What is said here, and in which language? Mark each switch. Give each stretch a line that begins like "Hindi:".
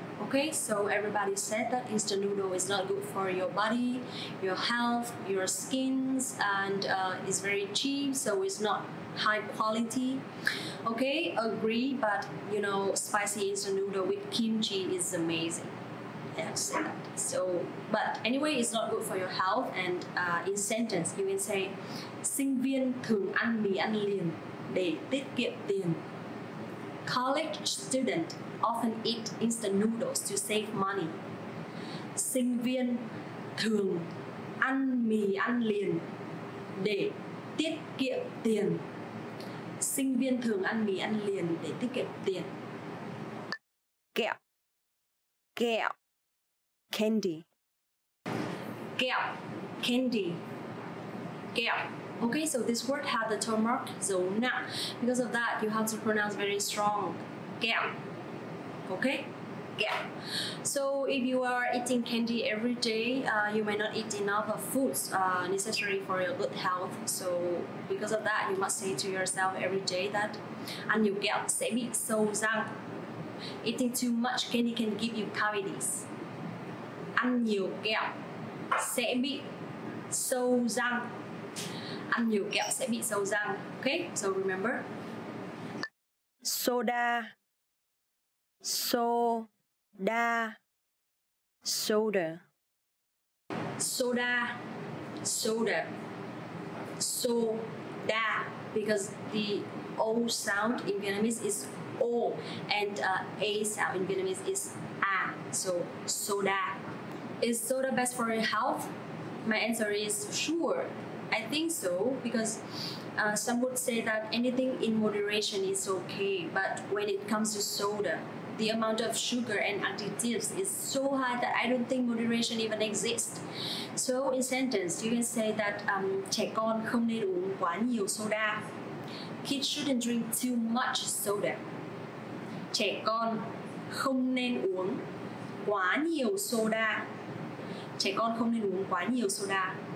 English: Okay, so everybody said that instant noodle is not good for your body, your health, your skins, and it's very cheap, so it's not high quality. Okay, agree, but you know, spicy instant noodle with kimchi is amazing. That's it. So, but anyway, it's not good for your health. And in sentence, you can say,
Vietnamese: sinh viên thường ăn mì ăn liền để tiết kiệm tiền.
English: College student often eat instant noodles to save money.
Vietnamese: Sinh viên thường ăn mì ăn liền để tiết kiệm tiền. Sinh viên thường ăn mì ăn liền để tiết kiệm tiền. Kẹo. Kẹo.
English: Candy.
Vietnamese: Kẹo.
English: Candy.
Vietnamese: Kẹo.
English: Okay, so this word has the tone mark zona. Because of that, you have to pronounce very strong. Kẹo. Okay? Kẹo. So if you are eating candy every day, you may not eat enough of foods necessary for your good health. So because of that, you must say to yourself every day that
Vietnamese: ăn nhiều kẹo sẽ bị sâu răng.
English: Eating too much candy can give you cavities.
Vietnamese: Ăn nhiều kẹo sẽ bị sâu răng. Ăn nhiều kẹo sẽ bị sâu răng.
English: Okay, so remember. Soda. Soda. Soda. Soda. Soda. Soda. Because the O sound in Vietnamese is O, and A sound in Vietnamese is A. So soda. Is soda best for your health? My answer is sure. I think so, because some would say that anything in moderation is okay, but when it comes to soda, the amount of sugar and additives is so high that I don't think moderation even exists. So in sentence, you can say that
Vietnamese: trẻ con không nên uống quá nhiều soda.
English: Kids shouldn't drink too much soda.
Vietnamese: Trẻ con không nên uống quá nhiều soda. Trẻ con không nên uống quá nhiều soda.